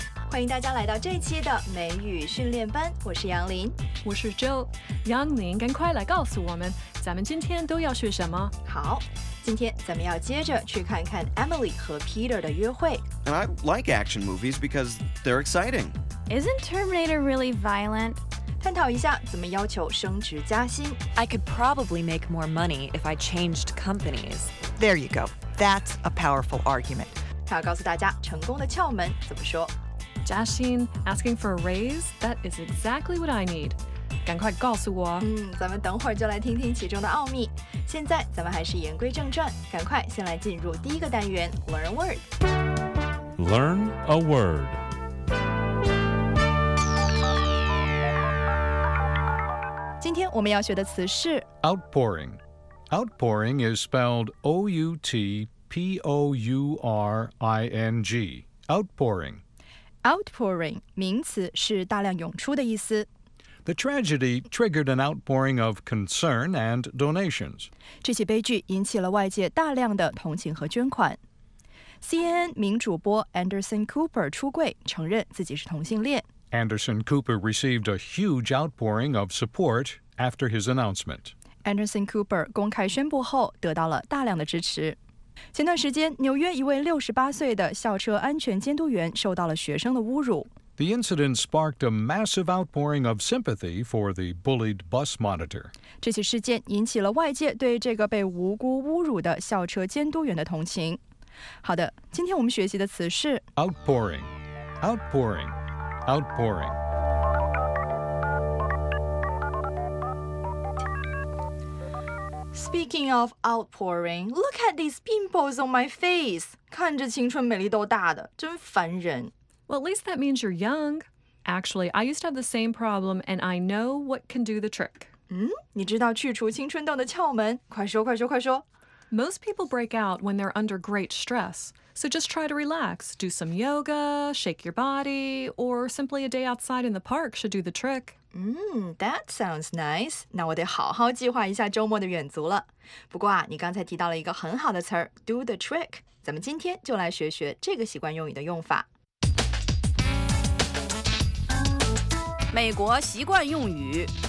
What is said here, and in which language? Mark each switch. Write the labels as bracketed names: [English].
[Chinese] 欢迎大家来到这期的美语训练班，我是杨林，我是 Joe。杨林，赶快来告诉我们，咱们今天都要学什么？好，今天咱们要接着去看看 Emily 和 Peter 的约会。 [English] And I like action movies because they're exciting. Isn't Terminator really violent? [Chinese] 探讨一下怎么要求升职加薪。 [English] I could probably make more money if I changed companies. There you go, that's a powerful argument. [Chinese] 他要告诉大家成功的窍门怎么说。 [English] 加薪, asking for a raise, that is exactly what I need. [Chinese] 赶快告诉我。咱们等会儿就来听听其中的奥秘。现在咱们还是言归正传，赶快先来进入第一个单元 [English] Learn a word. Learn a word. [Chinese] Today, 我们要学的词是 [English] outpouring. Outpouring is spelled O-U-T-P-O-U-R-I-N-G. Outpouring. [Chinese] Outpouring, 名词是大量涌出的意思。 [English] The tragedy triggered an outpouring of concern and donations. [Chinese] 这起悲剧引起了外界大量的同情和捐款。 CNN 名主播 Anderson Cooper 出柜，承认自己是同性恋。 [English] Anderson Cooper received a huge outpouring of support after his announcement. [Chinese] Anderson Cooper 公开宣布后得到了大量的支持。前段时间，纽约一位68岁的校车安全监督员受到了学生的侮辱。 [English] The incident sparked a massive outpouring of sympathy for the bullied bus monitor. [Chinese] 这起事件引起了外界对这个被无辜侮辱的校车监督员的同情。好的，今天我们学习的词是 [English] outpouring, outpouring, outpouring. Speaking of outpouring, look at these pimples on my face. [Chinese] 看着青春美丽痘大的，真烦人。 [English] Well, at least that means you're young. Actually, I used to have the same problem, and I know what can do the trick. [Chinese] 你知道去除青春痘的窍门？快说，快说，快说。 [English] Most people break out when they're under great stress. So just try to relax. Do some yoga, shake your body, or simply a day outside in the park should do the trick. That sounds nice. [Chinese] 那我得好好计划一下周末的远足了。不过啊，你刚才提到了一个很好的词儿 ,do the trick. 咱们今天就来学学这个习惯用语的用法。美国习惯用语